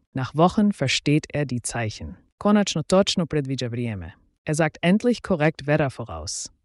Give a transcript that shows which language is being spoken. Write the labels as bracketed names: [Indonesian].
[German] Nach Wochen versteht er die Zeichen. [Croatian] Konačno točno predviđa vrijeme. [German] Er sagt endlich korrekt Wetter voraus.